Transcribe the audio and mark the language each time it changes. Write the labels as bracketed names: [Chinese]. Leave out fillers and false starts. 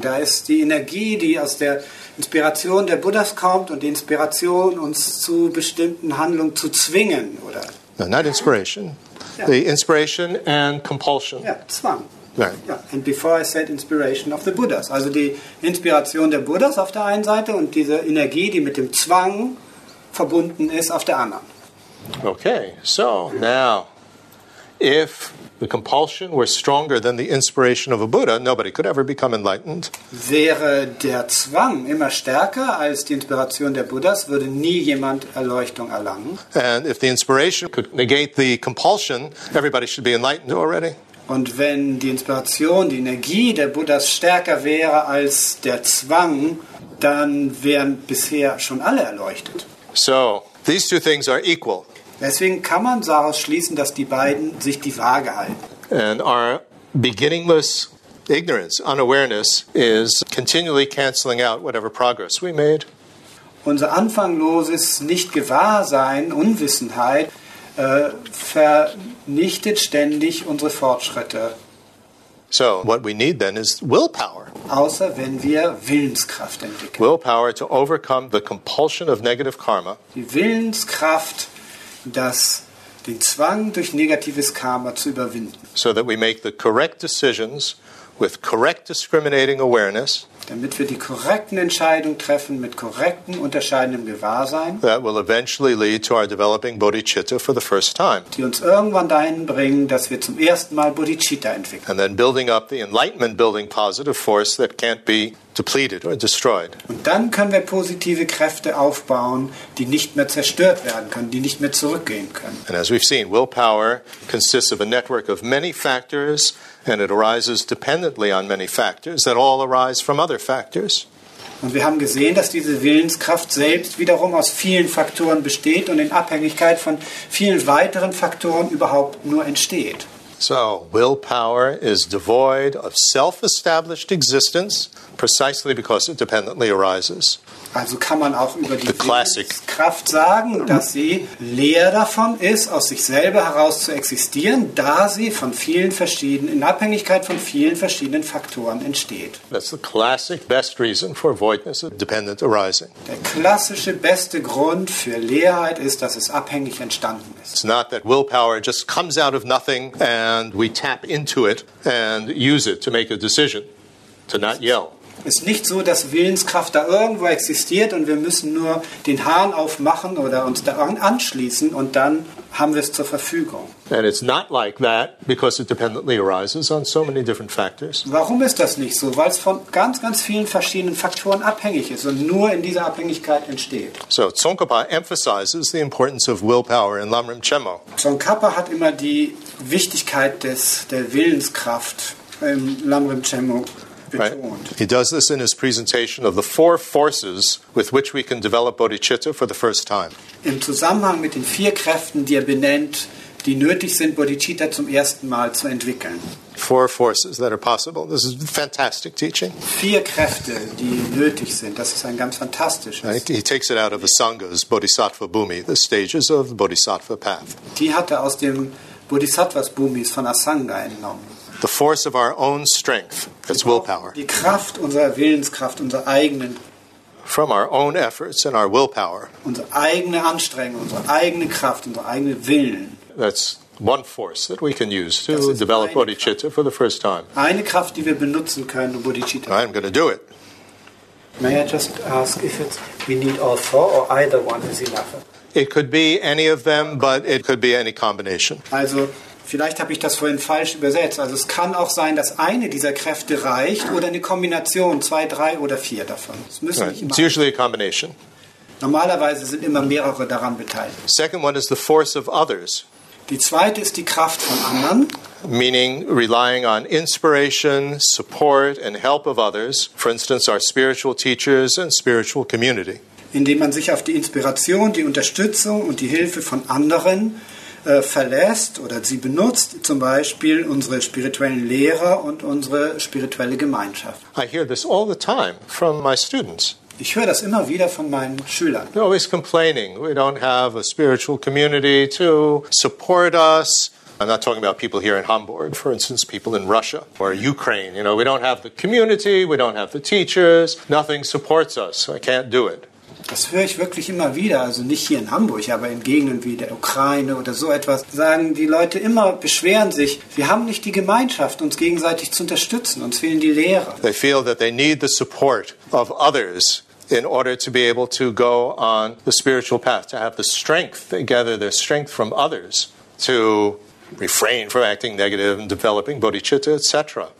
[German] Da ist die Energie, die aus der Inspiration der Buddhas kommt und die Inspiration, uns zu bestimmten Handlungen zu zwingen, oder? [English] No, not inspiration. Ja. The inspiration and compulsion. [German] Ja, Zwang. [English] Right. Ja, and before I said inspiration of the Buddhas. [German] Also die Inspiration der Buddhas auf der einen Seite und diese Energie, die mit dem Zwang verbunden ist, auf der anderen. [English] Okay, so now, if the compulsion were stronger than the inspiration of a Buddha, nobody could ever become enlightened. [German] Wäre der Zwang immer stärker als die Inspiration der Buddhas, würde nie jemand Erleuchtung erlangen. [English] And if the inspiration could negate the compulsion, everybody should be enlightened already. [German] Und wenn die Inspiration, die Energie der Buddhas stärker wäre als der Zwang, dann wären bisher schon alle erleuchtet. [English] So, these two things are equal. [German] Deswegen kann man daraus schließen, dass die beiden sich die Waage halten. [English] And our beginningless ignorance, unawareness, is continually canceling out whatever progress we made. [German] Unser anfangloses Nicht-Gewahrsein, Unwissenheit, vernichtet ständig unsere Fortschritte. [English] So, what we need then is willpower. [German] Außer wenn wir Willenskraft entwickeln. [English] Willpower to overcome the compulsion of negative karma. [German] Die Willenskraft, das den Zwang durch negatives Karma zu überwinden. [English] So that we make the correct decisions with correct discriminating awareness. [German] Damit wir die korrekten Entscheidungen treffen mit korrekten unterscheidendem Gewahrsein. [English] That will eventually lead to our developing bodhicitta for the first time. [German] Die uns irgendwann dahin bringen, dass wir zum ersten Mal bodhicitta entwickeln. [English] And then building up the enlightenment building positive force that can't be depleted or destroyed. [German] Und dann können wir positive Kräfte aufbauen, die nicht mehr zerstört werden können, die nicht mehr zurückgehen können. [English] And as we've seen, willpower consists of a network of many factors, and it arises dependently on many factors that all arise from other factors. [German] Und wir haben gesehen, dass diese Willenskraft selbst wiederum aus vielen Faktoren besteht und in Abhängigkeit von vielen weiteren Faktoren überhaupt nur entsteht. [English] So, willpower is devoid of self-established existence precisely because it dependently arises. [German] Also kann man auch über die Willenskraft sagen, dass sie leer davon ist, aus sich selber heraus zu existieren, da sie von vielen verschiedenen, in Abhängigkeit von vielen verschiedenen Faktoren entsteht. [English] That's the classic best reason for voidness of dependent arising. [German] Der klassische beste Grund für Leerheit ist, dass es abhängig entstanden ist. [English] It's not that willpower just comes out of nothing and we tap into it and use it to make a decision to not yell. [German] Es ist nicht so, dass Willenskraft da irgendwo existiert und wir müssen nur den Hahn aufmachen oder uns da anschließen und dann haben wir es zur Verfügung. [English] And it's not like that because it dependently arises on so many different factors. [German] Warum ist das nicht so? Weil es von ganz, ganz vielen verschiedenen Faktoren abhängig ist und nur in dieser Abhängigkeit entsteht. [English] So Tsongkhapa emphasizes the importance of willpower in Lamrim Chemo. [German] Tsongkhapa hat immer die Wichtigkeit der Willenskraft im Lamrim Chemo. [English] Right. He does this in his presentation of the four forces with which we can develop bodhicitta for the first time. [German] Im Zusammenhang mit den vier Kräften, die benennt, die nötig sind, bodhicitta zum ersten Mal zu entwickeln. [English] Four forces that are possible. This is fantastic teaching. [German] Vier Kräfte, die nötig sind. Das ist ein ganz fantastisches. [English] Right. He takes it out of the Sangha's Bodhisattva Bhumi, the stages of the Bodhisattva path. [German] Die hat er aus dem Bodhisattvas Bhumis von Asanga entnommen. [English] The force of our own strength, that's willpower. [German] Die Kraft unserer Willenskraft, unserer eigenen. [English] From our own efforts and our willpower. [German] Unsere eigene Anstrengung, unsere eigene Kraft, unsere eigene Willen. [English] That's one force that we can use to develop bodhicitta for the first time. [German] Eine Kraft, die wir benutzen können, um bodhicitta. [English] I'm going to do it. May I just ask if it's we need all four or either one is enough? It could be any of them, but it could be any combination. [German] Also, vielleicht habe ich das vorhin falsch übersetzt. Also es kann auch sein, dass eine dieser Kräfte reicht oder eine Kombination, zwei, drei oder vier davon. Es müssen nicht immer. [English] It's usually a combination. [German] Normalerweise sind immer mehrere daran beteiligt. [English] Second one is the force of others. [German] Die zweite ist die Kraft von anderen. [English] Meaning relying on inspiration, support and help of others. For instance, our spiritual teachers and spiritual community. [German] Indem man sich auf die Inspiration, die Unterstützung und die Hilfe von anderen verlässt oder sie benutzt, zum Beispiel unsere spirituellen Lehrer und unsere spirituelle Gemeinschaft. [English] I hear this all the time from my students. [German] Ich höre das immer wieder von meinen Schülern. [English] They're always complaining. We don't have a spiritual community to support us. I'm not talking about people here in Hamburg, for instance, people in Russia or Ukraine. You know, we don't have the community, we don't have the teachers, nothing supports us, so I can't do it. [German] Das höre ich wirklich immer wieder, also nicht hier in Hamburg, aber in Gegenden wie der Ukraine oder so etwas, sagen die Leute immer, beschweren sich, wir haben nicht die Gemeinschaft, uns gegenseitig zu unterstützen, uns fehlen die Lehrer. [English] They feel that they need the support of others in order to be able to go on the spiritual path, to have the strength, they gather their strength from others to refrain from acting negative and developing bodhicitta, etc.